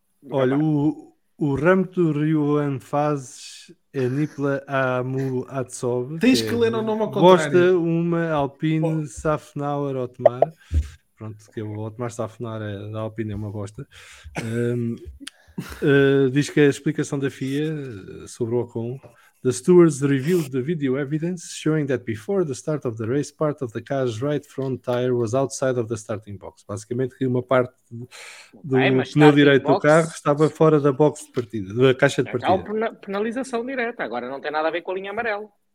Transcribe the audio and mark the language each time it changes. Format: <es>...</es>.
<pt>Olha, o ramo do Rio Anfazes é Nipla Amu Atsov. Tens que ler o nome ao contrário. Gosta uma Alpine Safnauer Otmar. Pronto, que o Otmar Safnauer da Alpine é uma bosta. Diz que a explicação da FIA sobre o Ocon:</pt> <en>the stewards revealed the video evidence showing that before the start of the race, part of the car's right front tire was outside of the starting box.</en> <pt>Basicamente, que uma parte do pneu direito do carro estava fora da box de partida, da caixa de partida. Penalização direta, agora não tem nada a ver com a linha amarela.</pt>